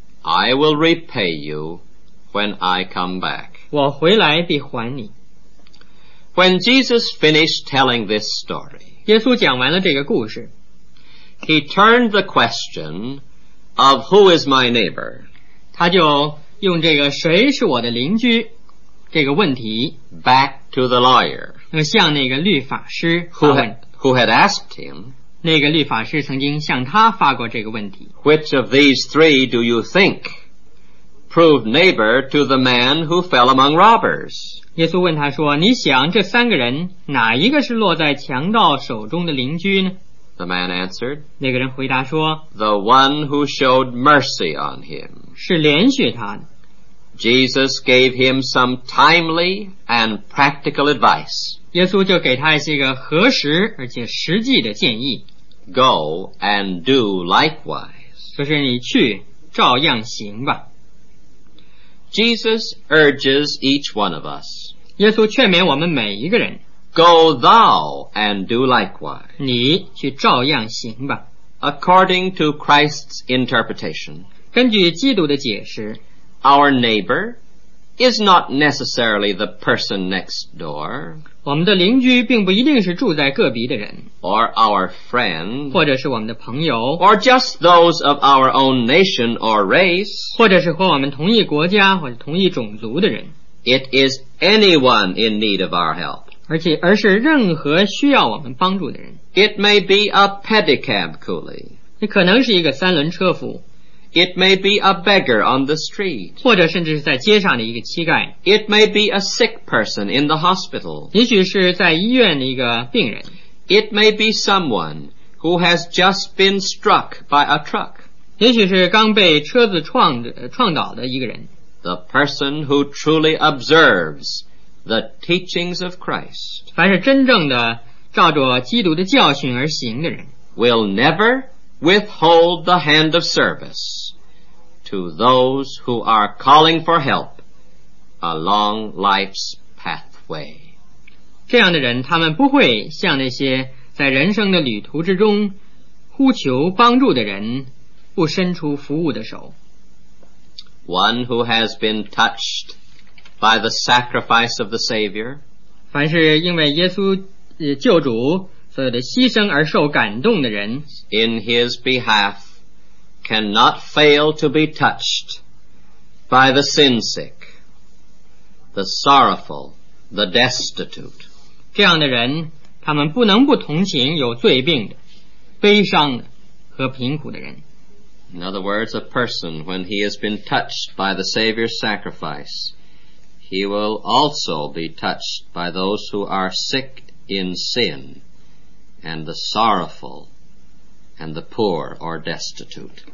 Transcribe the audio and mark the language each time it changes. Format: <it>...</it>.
<en>I will repay you when I come back.</en> <zh>我回来必还你。</zh> <en>When Jesus finished telling this story,</en> <zh>耶稣讲完了这个故事，</zh> <en>He turned the question of who is my neighbor.</en> <zh>他就用这个谁是我的邻居这个问题</zh> <en>back to the lawyer.</en> <zh>向那个律法师</zh> <en>who had asked him,</en> <zh>那个律法师曾经向他发过这个问题。</zh> <en>Which of these three do you think proved neighbor to the man who fell among robbers?</en> <zh>耶稣问他说，你想这三个人哪一个是落在强盗手中的邻居呢？</zh> <en>The man answered,</en> <zh>那个人回答说，</zh> <en>The one who showed mercy on him.</en> <zh>是怜恤他的。</zh> <en>Jesus gave him some timely and practical advice.</en> <zh>耶稣就给他一些个合时而且实际的建议。</zh> <en>Go and do likewise.</en> <zh>就是你去照样行吧。</zh> <en>Jesus urges each one of us.</en> <zh>耶稣劝勉我们每一个人。</zh> <en>Go thou and do likewise.</en> <zh>你去照样行吧。</zh> <en>According to Christ's interpretation.</en> <zh>根据基督的解释。</zh> <en>Our neighbor is not necessarily the person next door.</en> <zh>我们的邻居并不一定是住在隔壁的人。</zh> <en>Or our friend.</en> <zh>或者是我们的朋友。</zh> <en>Or just those of our own nation or race.</en> <zh>或者是和我们同一国家或者同一种族的人。</zh> <en>It is anyone in need of our help.</en> <zh>而是任何需要我们帮助的人。</zh> <en>It may be a pedicab coolie.</en> <zh>你可能是一个三轮车夫。</zh> <en>It may be a beggar on the street.</en> <zh>或者甚至是在街上的一个乞丐。</zh> <en>It may be a sick person in the hospital.</en> <zh>也许是在医院的一个病人。</zh> <en>It may be someone who has just been struck by a truck.</en> <zh>也许是刚被车子撞倒的一个人。</zh> <en>The person who truly observes the teachings of Christ.</en> <zh>凡是真正的照着基督的教训而行的人。</zh> <en>Will never withhold the hand of service to those who are calling for help along life's pathway.</en> <zh>这样的人他们不会向那些在人生的旅途之中呼求帮助的人不伸出服务的手。</zh> <en>One who has been touched by the sacrifice of the Savior,</en> <zh>凡是因为耶稣救主所有的牺牲而受感动的人</zh> <en>in his behalf cannot fail to be touched by the sin sick, the sorrowful, the destitute.</en> <zh>这样的人他们不能不同情有罪病的悲伤的和贫苦的人。</zh> <en>In other words, a person when he has been touched by the Savior's sacrifice, he will also be touched by those who are sick in sin. And the sorrowful and the poor or destitute.</en>